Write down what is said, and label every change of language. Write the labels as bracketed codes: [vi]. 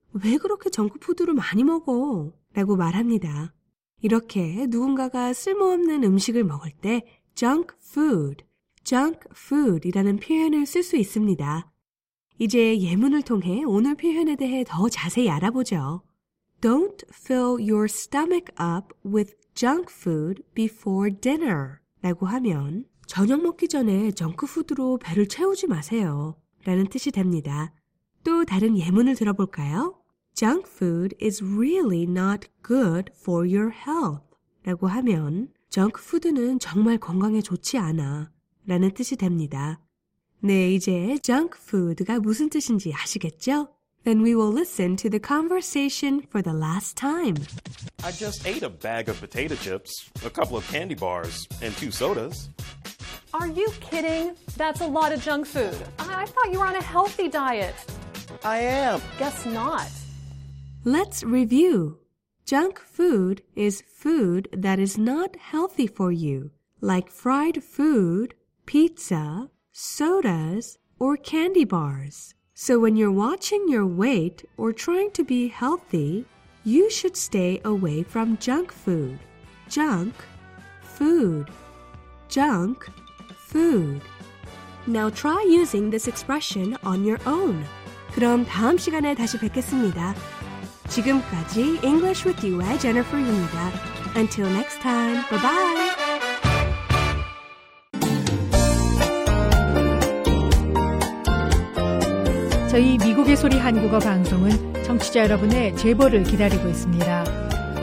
[ko] 왜 그렇게 정크푸드를 많이 먹어? 라고 말합니다. 이렇게 누군가가 쓸모없는 음식을 먹을 때 junk food, junk food이라는 표현을 쓸 수 있습니다. 이제 예문을 통해 오늘 표현에 대해 더 자세히 알아보죠. [en] Don't fill your stomach up with junk food before dinner. [ko] 라고 하면 저녁 먹기 전에 정크푸드로 배를 채우지 마세요. 라는 뜻이 됩니다. 또 다른 예문을 들어볼까요? [en] Junk food is really not good for your health. [ko] 라고 하면 junk food는 정말 건강에 좋지 않아. 라는 뜻이 됩니다. 네, 이제 junk food가 무슨 뜻인지 아시겠죠? [en] Then we will listen to the conversation for the last time. I just ate a bag of potato chips, a couple of candy bars, and two sodas. Are you kidding? That's a lot of junk food. I thought you were on a healthy diet. I am. Guess not. Let's review. Junk food is food that is not healthy for you, like fried food, pizza, sodas, or candy bars. So when you're watching your weight or trying to be healthy, you should stay away from junk food. Junk food. Junk food. Now try using this expression on your own. [ko] 그럼 다음 시간에 다시 뵙겠습니다. 지금까지 English with you의 Jennifer입니다. [en] Until next time, bye-bye! [ko] The 미국의 소리 한국어 방송은 청취자 여러분의 제보를 기다리고 있습니다.